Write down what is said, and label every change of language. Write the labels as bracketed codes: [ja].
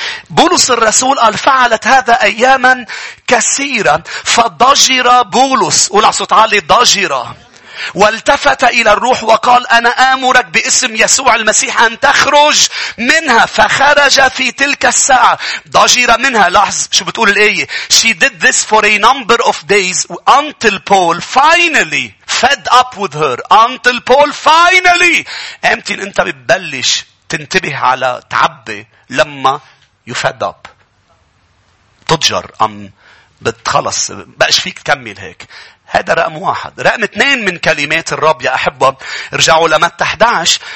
[ar] بولس الرسول قال فعلت هذا أياما كثيرا. فضجر بولس. قول صوت عالي. ضجر. والتفت إلى الروح وقال: أنا آمرك باسم يسوع المسيح أن تخرج منها. فخرج في تلك الساعة. ضجر منها. لاحظ شو بتقول الآية. [en] She did this for a number of days until Paul finally fed up with her. Until Paul finally. [ar] أمتين أنت ببلش تنتبه على تعبي لما [en] You fed up. [ar] تضجر. أم بتخلص. بقش فيك تكمل هيك. هذا رقم واحد. رقم اثنين من كلمات الرب يا أحبة. ارجعوا لمتى 11.